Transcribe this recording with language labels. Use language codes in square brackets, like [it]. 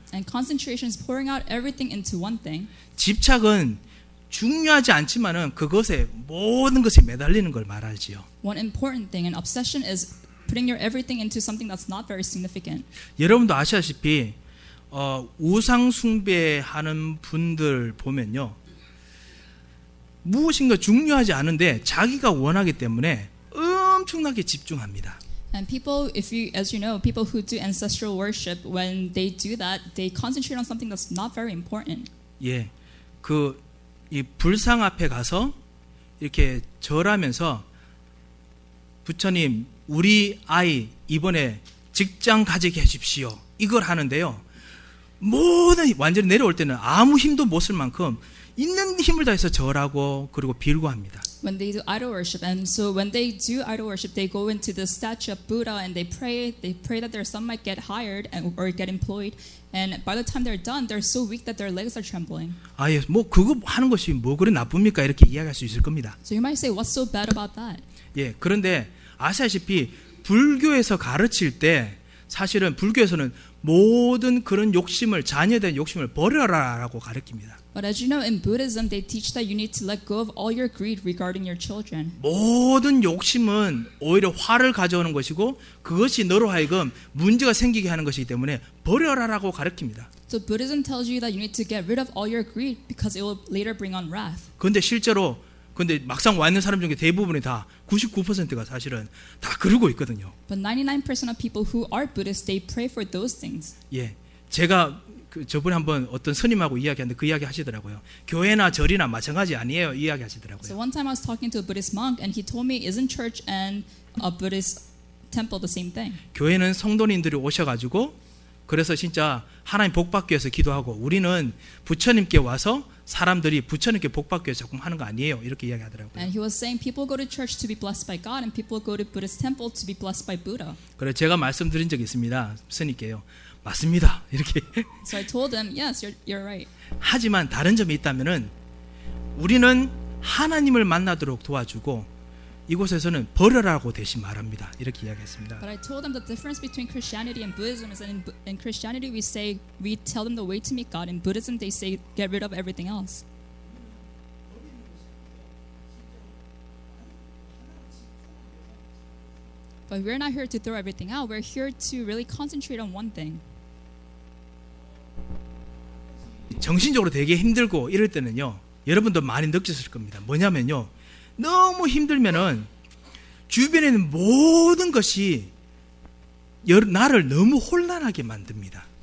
[en] And concentration is pouring out everything into one thing. [ko] 집착은 중요하지 않지만은 그것에 모든 것이 매달리는 걸 말하지요. [en] One important thing, an obsession is putting your everything into something that's not very significant. [ko] 여러분도 아시다시피 우상 숭배하는 분들 보면요 무엇인가 중요하지 않은데 자기가 원하기 때문에 엄청나게 집중합니다. [en] And people, if you, as you know, people who do ancestral worship, when they do that, they concentrate on something that's not very important. [ko] 예, 그 이 불상 앞에 가서 이렇게 절하면서 부처님 우리 아이 이번에 직장 가지게 해주십시오. 이걸 하는데요. 모든 완전히 내려올 때는 아무 힘도 못 쓸 만큼 있는 힘을 다해서 절하고 그리고 빌고 합니다. [en] When they do idol worship, and so when they do idol worship, they go into the statue of Buddha and they pray. They pray that their son might get hired and or get employed. And by the time they're done, they're so weak that their legs are trembling. [ko] 아 예, 뭐 그거 하는 것이 뭐 그리 나쁩니까? 이렇게 이야기할 수 있을 겁니다. [en] So you might say, what's so bad about that? [ko] 예, 그런데 아시다시피 불교에서 가르칠 때 사실은 불교에서는 모든 그런 욕심을 자녀에 대한 욕심을 버려라라고 가르칩니다. [en] But as you know, in Buddhism, they teach that you need to let go of all your greed regarding your children. [ko] 모든 욕심은 오히려 화를 가져오는 것이고 그것이 너로 하여금 문제가 생기게 하는 것이기 때문에 버려라라고 가르칩니다. [en] So Buddhism tells you that you need to get rid of all your greed because it will later bring on wrath. [ko] 그런데 실제로 근데 막상 와 있는 사람 중에 대부분이 다 99%가 사실은 다 그러고 있거든요. [en] But 99% of people who are Buddhist, they pray for those things. [ko] 예, 제가 그 저번에 한번 어떤 스님하고 이야기하는데 그 이야기 하시더라고요. 교회나 절이나 마찬가지 아니에요. 이야기 하시더라고요. [en] So one time I was talking to a Buddhist monk and he told me isn't church and a Buddhist temple the same thing? [ko] 교회는 성도님들이 오셔가지고 그래서 진짜 하나님 복받기 위해서 기도하고 우리는 부처님께 와서 사람들이 부처님께 복받기 위해서 조금 하는 거 아니에요. 이렇게 이야기하더라고요. [en] And he was saying people go to church to be blessed by God and people go to Buddhist temple to be blessed by Buddha. [ko] 그래 제가 말씀드린 적 있습니다. 스님께요. 맞습니다. 이렇게. [en] So I told them, yes, you're right. [ko] 하지만 다른 점이 있다면은 우리는 하나님을 만나도록 도와주고 이곳에서는 버려라고 대신 말합니다. 이렇게 이야기했습니다. [en] But I told them the difference between Christianity and Buddhism is that in Christianity we say we tell them the way to meet God. In Buddhism they say get rid of everything else. [ko] 근데 [en] we're not here to throw everything out. We're here to really concentrate on one thing. [ko] 정신적으로 되게 힘들고 이럴 때는요. 여러분도 많이 느끼셨을 겁니다. 뭐냐면요. 너무 힘들면은 주변에 있는 모든 것이 나를 너무 혼란하게 만듭니다.